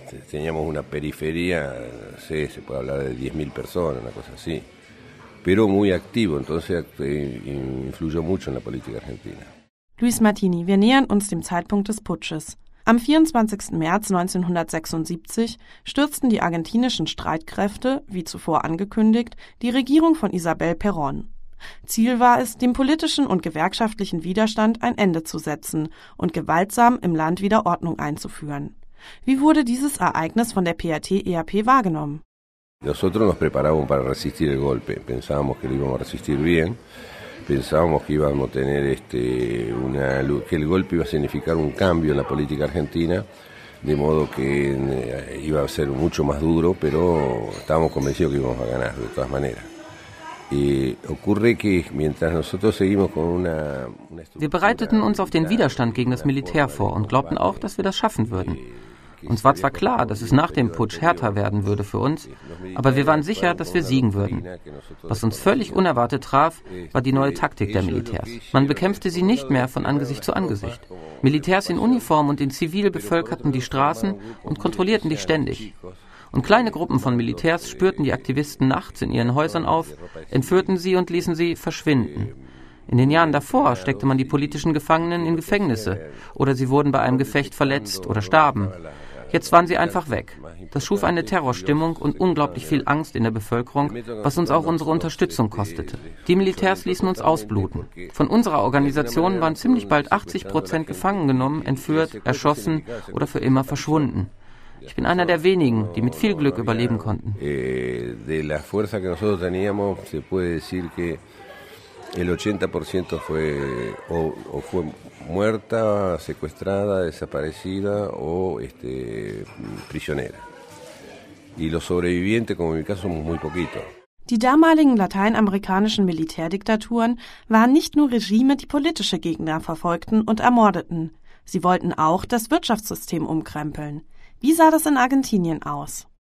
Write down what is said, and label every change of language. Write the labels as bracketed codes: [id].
[es] Teníamos una periferia, no sé, se puede hablar de 10.000 personas, una cosa así, pero muy activo, entonces influyó mucho en la política argentina. [de] Luis Martini, wir nähern uns dem Zeitpunkt des Putsches. Am 24. März 1976 stürzten die argentinischen Streitkräfte, wie zuvor angekündigt, die Regierung von Isabel Perón. Ziel war es, dem politischen und gewerkschaftlichen Widerstand ein Ende zu setzen und gewaltsam im Land wieder Ordnung einzuführen. Wie wurde dieses Ereignis von der PRT-EAP wahrgenommen? [es] Nosotros nos preparábamos para resistir el golpe. Pensábamos que lo íbamos a resistir bien. Pensábamos que íbamos a tener que el golpe iba a significar un cambio en la política argentina, de modo que iba a ser mucho más duro, pero estábamos convencidos que íbamos a ganar de todas maneras. Ocurre que mientras nosotros seguimos con una estructura. [de] Wir bereiteten uns auf den Widerstand gegen das Militär vor und glaubten auch, dass wir das schaffen würden. Uns war zwar klar, dass es nach dem Putsch härter werden würde für uns, aber wir waren sicher, dass wir siegen würden. Was uns völlig unerwartet traf, war die neue Taktik der Militärs. Man bekämpfte sie nicht mehr von Angesicht zu Angesicht. Militärs in Uniform und in Zivil bevölkerten die Straßen und kontrollierten dich ständig. Und kleine Gruppen von Militärs spürten die Aktivisten nachts in ihren Häusern auf, entführten sie und ließen sie verschwinden. In den Jahren davor steckte man die politischen Gefangenen in Gefängnisse oder sie wurden bei einem Gefecht verletzt oder starben. Jetzt waren sie einfach weg. Das schuf eine Terrorstimmung und unglaublich viel Angst in der Bevölkerung, was uns auch unsere Unterstützung kostete. Die Militärs ließen uns ausbluten. Von unserer Organisation waren ziemlich bald 80% gefangen genommen, entführt, erschossen oder für immer verschwunden. Ich bin einer der wenigen, die mit viel Glück überleben konnten. [es] De la fuerza que nosotros teníamos, se puede decir que el 80% fue o fue muerta, secuestrada, desaparecida o prisionera. Y los sobrevivientes, como en mi caso, somos muy poquitos. [de] Die damaligen lateinamerikanischen Militärdiktaturen waren nicht nur Regime, die politische Gegner verfolgten und ermordeten. Sie wollten auch das Wirtschaftssystem umkrempeln. Wie sah das in Argentinien aus?